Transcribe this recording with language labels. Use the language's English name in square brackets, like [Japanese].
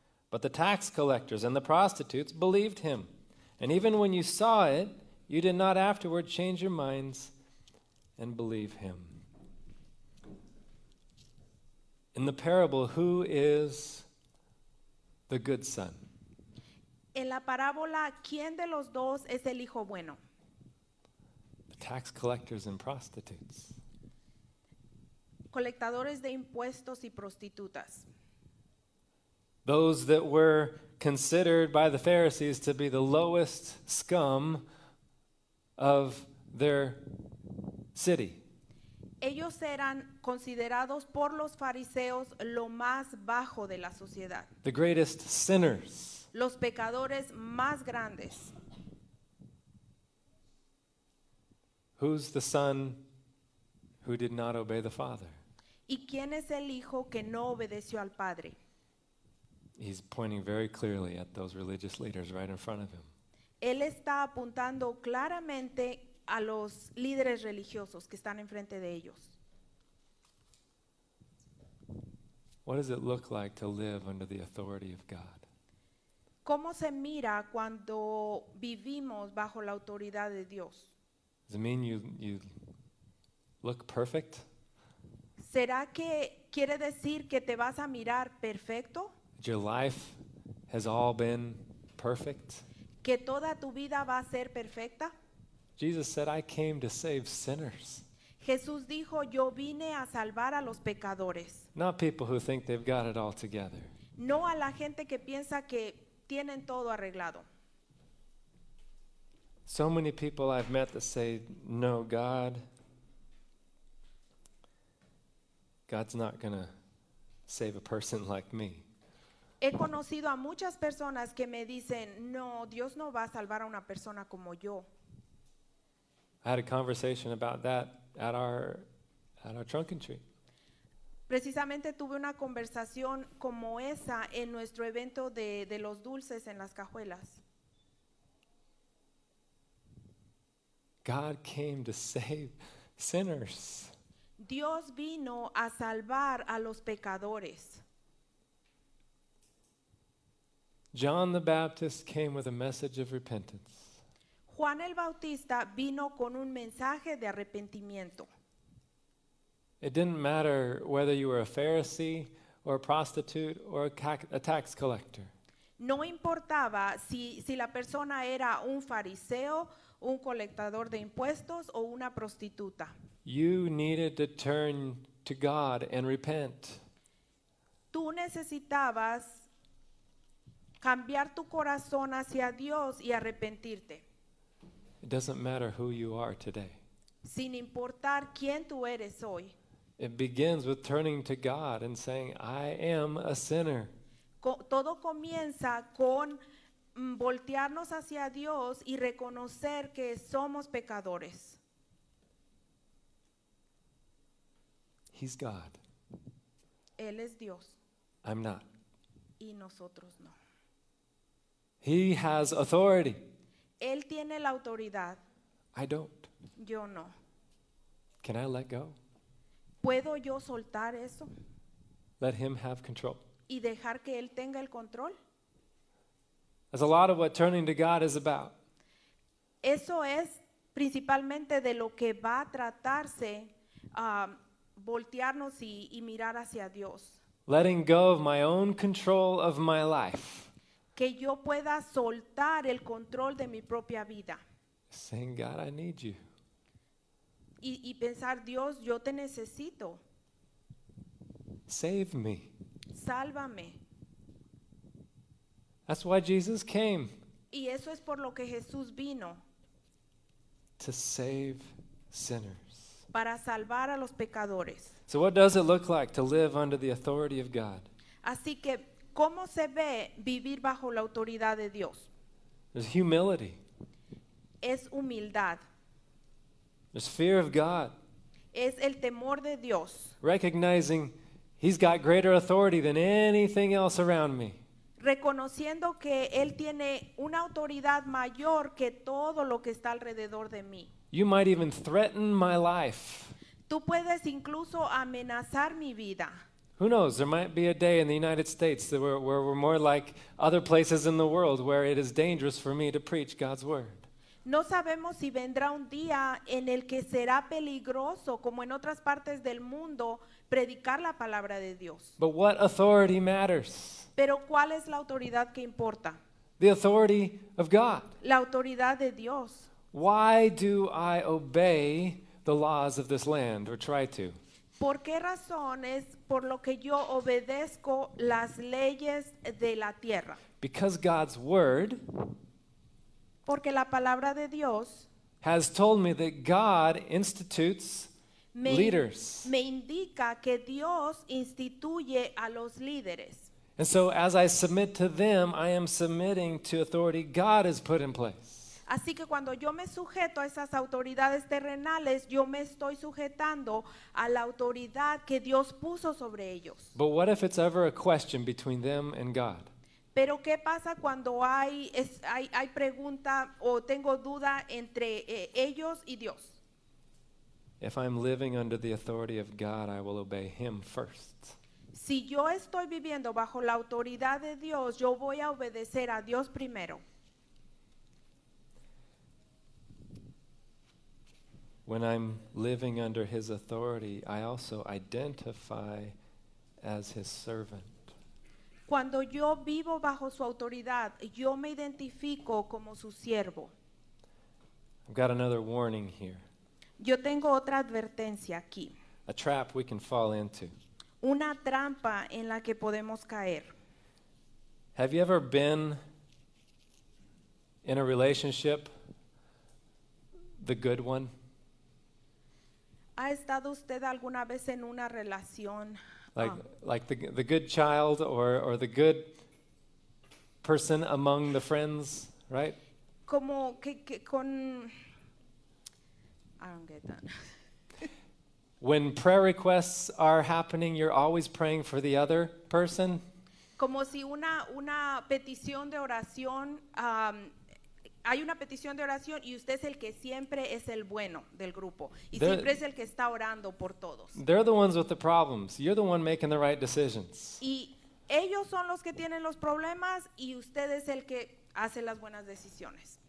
[English] But the tax collectors and the prostitutes believed him. And even when you saw it, you did not afterward change your minds and believe him. In the parable, who is the good son? [Spanish] En la parábola, ¿quién de los dos es el hijo bueno? [English] The tax collectors and prostitutes. [Spanish] Colectadores de impuestos y prostitutas. [English] Those that were considered by the Pharisees to be the lowest scum of their city. [Spanish] Ellos eran considerados por los fariseos lo más bajo de la sociedad. [English] The greatest sinners. [Spanish] Los pecadores más grandes. [English] Who's the son who did not obey the father? [Spanish] ¿Y quién es el hijo que no obedeció al padre? [English] He's pointing very clearly at those religious leaders right in front of him. [Spanish] Él está apuntando claramente a los líderes religiosos que están enfrente de ellos. [English] What does it look like to live under the authority of God? [Spanish] ¿Cómo se mira cuando vivimos bajo la autoridad de Dios? [English] Does it mean you look perfect? [Spanish] ¿Será que quiere decir que te vas a mirar perfecto? [English] Your life has all been perfect? [Spanish] ¿Que toda tu vida va a ser perfecta? [English] Jesus said, I came to save sinners. [Spanish] Jesús dijo, yo vine a salvar a los pecadores. [English] Not people who think they've got it all together. [Spanish] No a la gente que piensa que tienen todo arreglado. [English] So many people I've met that say, no, God's not going to save a person like me. [Spanish] He conocido a muchas personas que me dicen, no, Dios no va a salvar a una persona como yo. [English] I had a conversation about that at our trunk and treat. [Spanish] Precisamente tuve una conversación como esa en nuestro evento de los dulces en las cajuelas. [English] God came to save sinners. [Spanish] Dios vino a salvar a los pecadores. [English] John the Baptist came with a message of repentance. [Spanish] Juan el Bautista vino con un mensaje de arrepentimiento. [English] It didn't matter whether you were a Pharisee or a prostitute or a tax collector. [Spanish] No importaba si la persona era un fariseo, un colectador de impuestos o una prostituta. [English] You needed to turn to God and repent. [Spanish] Tú necesitabas cambiar tu corazón hacia Dios y arrepentirte. [English] It doesn't matter who you are today. [Spanish] Sin importar quién tú eres hoy. [English] It begins with turning to God and saying, I am a sinner. [Spanish] Todo comienza con voltearnos hacia Dios y reconocer que somos pecadores. [English] He's God. [Spanish] Él es Dios. [English] I'm not. [Spanish] Y nosotros no. [English] He has authority. [Spanish] Él tiene la autoridad. [English] I don't. [Spanish] Yo no. [English] Can I let go? [Spanish] ¿Puedo yo soltar eso? [English] Let him have control. [Spanish] ¿Y dejar que él tenga el control? [English] That's a lot of what turning to God is about. [Spanish] Eso es principalmente de lo que va a tratarse voltearnos y mirar hacia Dios. [English] Letting go of my own control of my life. [Spanish] Que yo pueda soltar el control de mi propia vida. [English] Saying, God, I need you. [Spanish] Y pensar, Dios, yo te necesito. [English] Save me. [Spanish] Sálvame. [English] That's why Jesus came. [Spanish] Y eso es por lo que Jesús vino. [English] To save sinners. [Spanish] para salvar a los pecadores. [English] So what does it look like to live under the authority of God? [Spanish] Así que, ¿cómo se ve vivir bajo la autoridad de Dios? [English] There's humility. [Spanish] Es humildad. [English] There's fear of God. [Spanish] Es el temor de Dios. [English] Recognizing He's got greater authority than anything else around me. [Spanish] Reconociendo que Él tiene una autoridad mayor que todo lo que está alrededor de mí. [English] You might even threaten my life. [Spanish] Tú puedes incluso amenazar mi vida. [English] Who knows, there might be a day in the United States where we're more like other places in the world where it is dangerous for me to preach God's word. [Spanish] No sabemos si vendrá un día en el que será peligroso, como en otras partes del mundo, predicar la palabra de Dios. [English] But what authority matters? [Spanish] Pero ¿cuál es la autoridad que importa? [English] The authority of God. [Spanish] La autoridad de Dios. [English] Why do I obey the laws of this land, or try to? [Spanish] ¿Por qué razón es por lo que yo obedezco las leyes de la tierra? [English] Because God's word. [Spanish] Porque la palabra de Dios [English] has told me that God institutes leaders. [Spanish] Me indica que Dios instituye a los líderes. [English] And so as I submit to them, I am submitting to authority God has put in place. [Spanish] Así que cuando yo me sujeto a esas autoridades terrenales, yo me estoy sujetando a la autoridad que Dios puso sobre ellos. [English] But what if it's ever a question between them and God? [Spanish] Pero ¿qué pasa cuando hay pregunta o tengo duda entre ellos y Dios? [English] If I'm living under the authority of God, I will obey Him first. [Spanish] Si yo estoy viviendo bajo la autoridad de Dios, yo voy a obedecer a Dios primero. [English] When I'm living under His authority, I also identify as His servant. [Spanish] Cuando yo vivo bajo su autoridad, yo me identifico como su siervo. [English] I've got another warning here. [Spanish] Yo tengo otra advertencia aquí. [English] A trap we can fall into. [Spanish] Una trampa en la que podemos caer. [English] Have you ever been in a relationship, the good one? [Spanish] ¿Ha estado usted alguna vez en una relación? [English] Like the good child or the good person among the friends, right? [Spanish] Como que con... [English] I don't get that. When prayer requests are happening, you're always praying for the other person. [Spanish] Como si una petición de oración, hay una petición de oración y usted es el que siempre es el bueno del grupo y they're, siempre es el que está orando por todos. [English] They're the ones with the problems. You're the one making the right decisions. [Spanish] Y ellos son los que tienen los problemas y usted es el que hace las buenas decisiones.